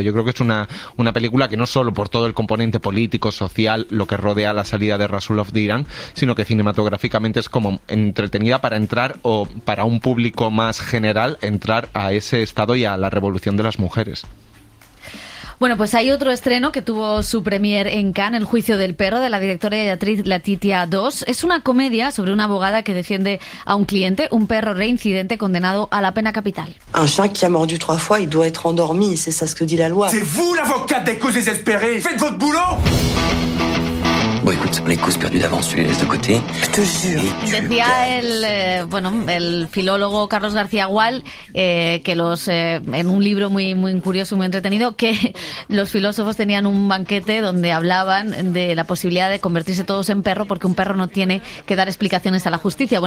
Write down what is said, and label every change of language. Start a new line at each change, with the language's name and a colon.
Spanish: Yo creo que es una película que no solo por todo el componente político, social, lo que rodea la salida de Rasulov de Irán, sino que cinematográficamente es como entretenida para entrar, o para un público más general, entrar a ese Estado y a la revolución de las mujeres. Bueno, pues hay otro estreno que tuvo su premier en Cannes, El juicio del perro, de la directora y actriz Letitia Dos. Es una comedia sobre una abogada que defiende a un cliente, un perro reincidente condenado a la pena capital.
French: Un chien qui a mordu trois fois, il doit être endormi, c'est ça ce que dit la loi. C'est vous l'avocate des causes désespérées, faites votre boulot.
Spanish: Bueno, escucha, las causas perdidas
French: d'avance,
Spanish: tú las dejas
French: de côté.
Spanish: Te juro. Decía el filólogo Carlos García Gual, que en un libro muy, muy curioso, muy entretenido, que los filósofos tenían un banquete donde hablaban de la posibilidad de convertirse todos en perro, porque un perro no tiene que dar explicaciones a la justicia.